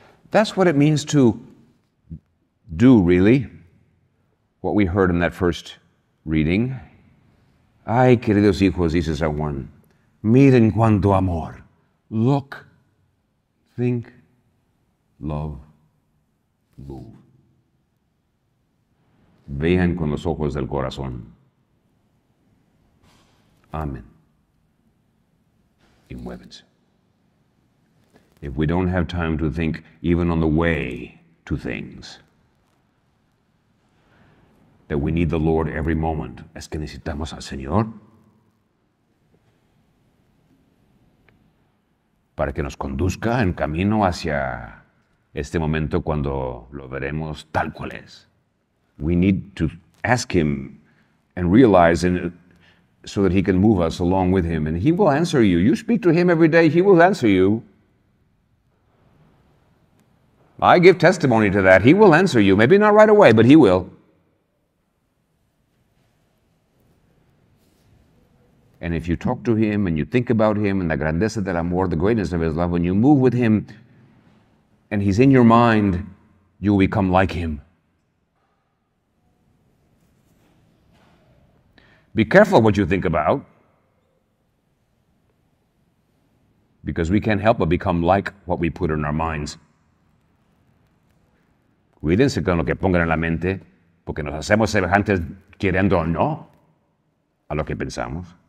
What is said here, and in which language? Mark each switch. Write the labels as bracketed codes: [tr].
[en] That's what it means to do, really, what we heard in that first reading. [es] Ay, queridos hijos, dice San Juan, miren cuánto amor. [en] Look, think, love, move. [es] Vean con los ojos del corazón. [en] Amen. [es] Y muévense. [en] If we don't have time to think even on the way to things, that we need the Lord every moment. [es] Es que necesitamos al Señor para que nos conduzca en camino hacia este momento cuando lo veremos tal cual es. [en] We need to ask Him and realize and so that He can move us along with Him, and He will answer you. You speak to Him every day, He will answer you. I give testimony to that. He will answer you. Maybe not right away, but He will. And if you talk to Him and you think about Him and the [es] grandeza del amor, [en] the greatness of His love, when you move with Him and He's in your mind, you will become like Him. Be careful what you think about, because we can't help but become like what we put in our minds. [es] Cuídense con lo que pongan en la mente, porque nos hacemos semejantes, queriendo o no, a lo que pensamos.